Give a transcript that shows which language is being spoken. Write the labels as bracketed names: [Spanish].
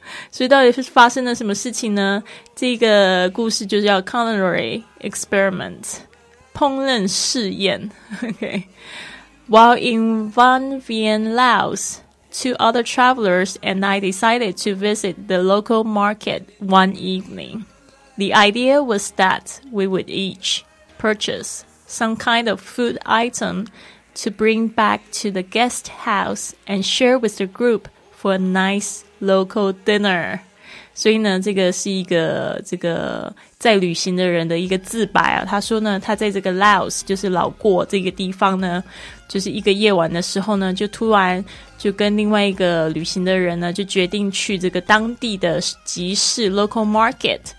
[Chinese] 所以到底是发生了什么事情呢这个故事就叫 [English] Culinary Experiment [Chinese] 烹饪试验 [English] OK While in Van Vien LaosTwo other travelers and I decided to visit the local market one evening. The idea was that we would each purchase some kind of food item to bring back to the guest house and share with the group for a nice local dinner. [Chinese] 所以呢，这个是一个这个在旅行的人的一个自白啊。他说呢，他在这个 Laos 就是老挝这个地方呢，就是一个夜晚的时候呢，就突然就跟另外一个旅行的人呢，就决定去这个当地的集市 local market。